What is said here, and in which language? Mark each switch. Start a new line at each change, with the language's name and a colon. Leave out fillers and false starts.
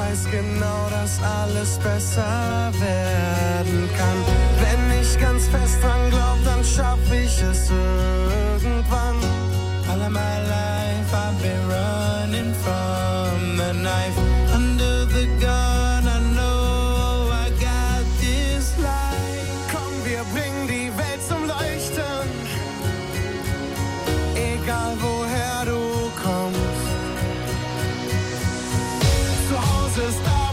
German: Genau, dass alles besser werden kann. Wenn ich ganz fest dran glaub, dann schaff ich es irgendwann.
English: All of my life I've been running from the knife. Under the gun I know I got this life.
German: Komm, wir bringen die Welt zum Leuchten, egal woher du kommst. Zu Hause ist